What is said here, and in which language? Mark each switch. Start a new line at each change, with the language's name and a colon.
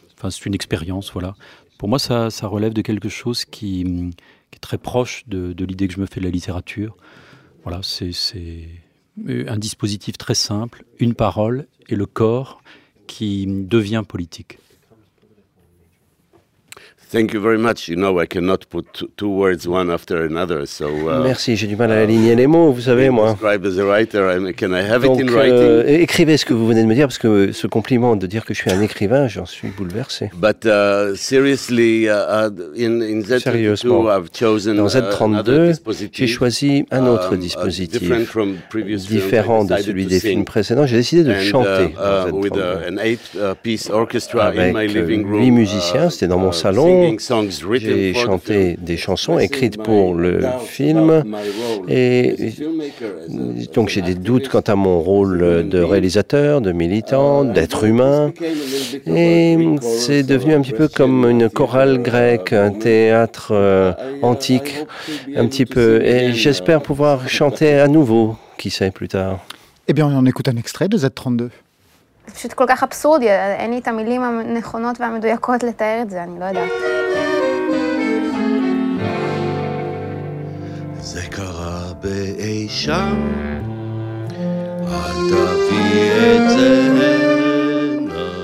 French: Enfin, c'est une expérience, voilà. Pour moi, ça relève de quelque chose qui est très proche de l'idée que je me fais de la littérature. Voilà, c'est un dispositif très simple, une parole et le corps qui devient politique.
English: Thank you very much. You know, I cannot put two words one after another. So
French: merci. J'ai du mal à aligner les mots, vous savez, moi.
English: Describe as a writer. Can I have
French: Donc,
English: it in writing?
French: Écrivez ce que vous venez de me dire, parce que ce compliment de dire que je suis un écrivain, j'en suis bouleversé.
English: But seriously, in Z32, I've chosen
French: dans Z32, j'ai choisi un autre dispositif différent de celui des films précédents. J'ai décidé de chanter dans Z32 avec huit musiciens. C'était dans mon salon. J'ai chanté des chansons écrites pour le film et donc j'ai des doutes quant à mon rôle de réalisateur, de militant, d'être humain. Et c'est devenu un petit peu comme une chorale grecque, un théâtre antique, un petit peu. Et j'espère pouvoir chanter à nouveau, qui sait, plus tard. Eh bien, on en écoute un extrait de Z32.
Hebrew: זה פשוט כל כך אבסורדי, אין לי את המילים הנכונות והמדויקות לתאר את זה, אני לא יודעת. זה קרה באי שם, אל תביא את זה הנה.